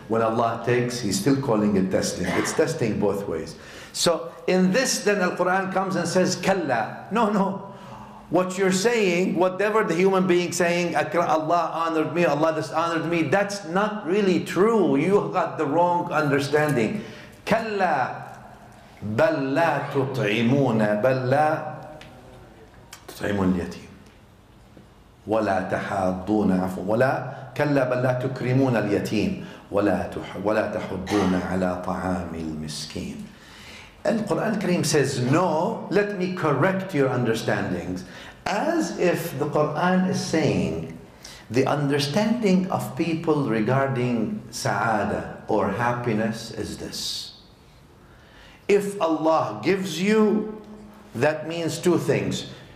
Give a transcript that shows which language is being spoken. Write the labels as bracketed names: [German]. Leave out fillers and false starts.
[English] When Allah takes, He's still calling it testing. It's testing both ways. So in this then the Quran comes and says, kalla. No, no. What you're saying, whatever the human being saying, Allah honored me, Allah dishonored me, that's not really true. You got the wrong understanding. Kalla. [Arabic] بَلْ لَا تُطْعِمُونَ بَلْ لَا تُطْعِمُونَ الْيَتِيمَ ولا تحاضون عفوا ولا كلا بل لا تكرمون اليتيم ولا ولا تحضون على طعام المسكين. [English] القرآن الكريم says no. Let me correct your understandings. As if the Quran is saying, the understanding of people regarding سعادة or happiness is this. If Allah gives you, that means two things.